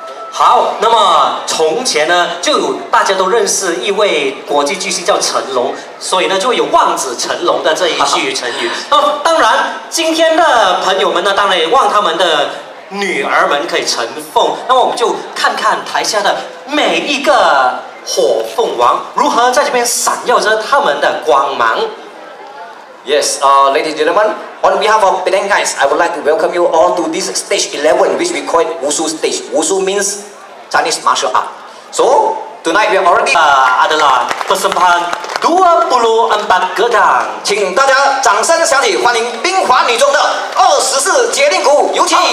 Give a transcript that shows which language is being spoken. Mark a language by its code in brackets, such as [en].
[zh] 好，那么从前呢，就有大家都认识一位国际巨星叫成龙，所以呢就有望子成龙的这一句成语。当然，今天的朋友们呢，当然也望他们的女儿们可以成凤。那么我们就看看台下的每一个火凤凰如何在这边闪耀着他们的光芒。 [en] Yes, ladies and gentlemen, on behalf of Penang Guys, I would like to welcome you all to this stage 11, which we call it Wushu stage. Wushu means Chinese martial art. So, tonight we are already [ms] adalah persembahan 24 gedang. [zh] 请大家掌声响起，欢迎冰华女中的24节令鼓，有请。